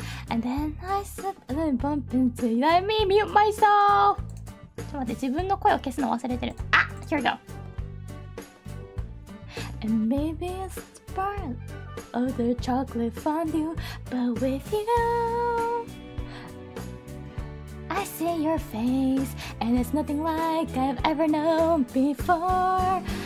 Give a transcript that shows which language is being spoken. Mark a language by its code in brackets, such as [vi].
[en] And then I slip and then bump into you. Let me mute myself! [ja] ちょっと待って、自分の声を消すの忘れてる。 [en] あ、here we go! And maybe it's sparkOh, the chocolate fondue, but with you I see your face, and it's nothing like I've ever known before.